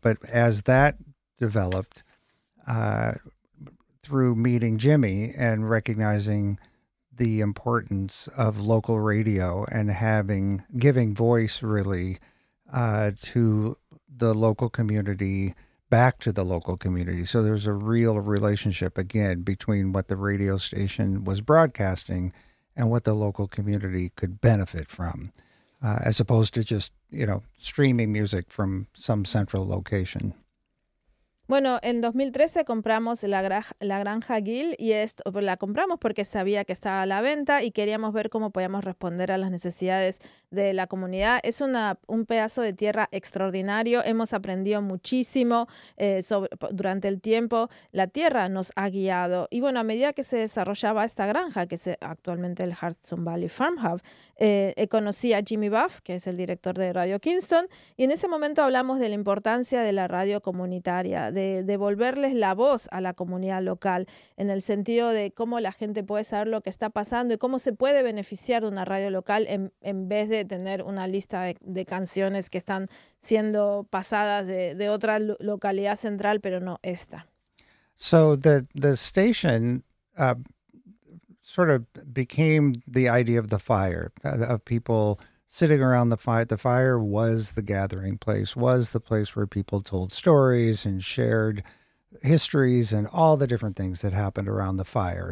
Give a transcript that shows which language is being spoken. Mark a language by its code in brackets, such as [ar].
[en] But as that developed, through meeting Jimmy and recognizing the importance of local radio and giving voice really to the local community, back to the local community. So there's a real relationship again between what the radio station was broadcasting and what the local community could benefit from, as opposed to just, you know, streaming music from some central location. [es] Bueno, en 2013 compramos la granja Gill, y la compramos porque sabía que estaba a la venta y queríamos ver cómo podíamos responder a las necesidades de la comunidad. Es un pedazo de tierra extraordinario. Hemos aprendido muchísimo durante el tiempo. La tierra nos ha guiado. Y bueno, a medida que se desarrollaba esta granja, que es actualmente el Hudson Valley Farm Hub, conocí a Jimmy Buff, que es el director de Radio Kingston, y en ese momento hablamos de la importancia de la radio comunitaria, de devolverles la voz a la comunidad local, en el sentido de cómo la gente puede saber lo que está pasando y cómo se puede beneficiar de una radio local en vez de tener una lista de canciones que están siendo pasadas de otra localidad central, pero no esta. [en] So the station sort of became the idea of the fire, of people sitting around the fire. The fire was the gathering place, was the place where people told stories and shared histories and all the different things that happened around the fire.